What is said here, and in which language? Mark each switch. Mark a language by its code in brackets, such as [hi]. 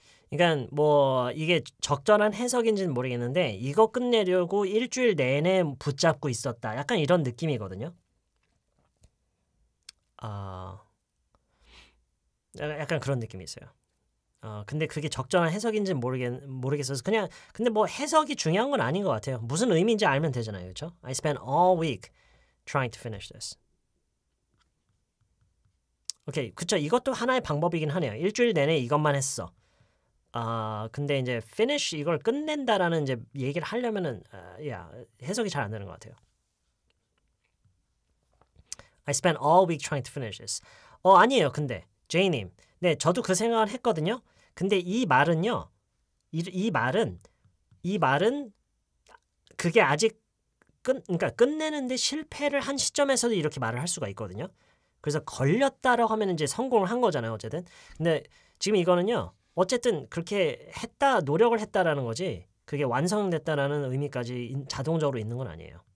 [ko] 그러니까 뭐 이게 적절한 해석인지는 모르겠는데 이거 끝내려고 일주일 내내 붙잡고 있었다. 약간 이런 느낌이거든요. 약간 그런 느낌이 있어요. 근데 그게 적절한 해석인지는 모르겠어서 그냥 근데 뭐 해석이 중요한 건 아닌 것 같아요. 무슨 의미인지 알면 되잖아요, 그렇죠? [en] I spent all week trying to finish this. [ko] 오케이, 그쵸. 이것도 하나의 방법이긴 하네요. 일주일 내내 이것만 했어. 근데 이제 finish 이걸 끝낸다라는 이제 얘기를 하려면은 해석이 잘 안 되는 것 같아요. [en] I spent all week trying to finish this. [ko] 아니에요. 근데 제이님, 네, 저도 그 생각을 했거든요. 근데 이 말은요, 이 말은 그게 아직 그러니까 끝내는데 실패를 한 시점에서도 이렇게 말을 할 수가 있거든요. 그래서 걸렸다라고 하면 이제 성공을 한 거잖아요, 어쨌든. 근데 지금 이거는요, 어쨌든 그렇게 했다, 노력을 했다라는 거지 그게 완성됐다라는 의미까지 자동적으로 있는 건 아니에요.